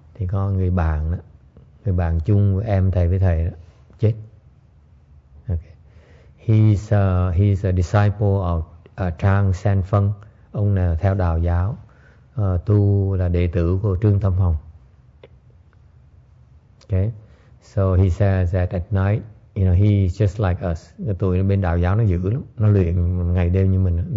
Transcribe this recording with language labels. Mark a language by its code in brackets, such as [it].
[vi] Thì có người bạn đó, người bạn chung của em thầy với thầy đó, chết. Okay. [en] He's a disciple of Trang San Phân. [vi] Ông là theo đạo giáo, tu là đệ tử của Trương Tâm Hồng. [en] Okay. So he says that at night, you know, he's just like us. [vi] Tụi bên đạo giáo nó dữ lắm. Nó luyện ngày đêm như mình.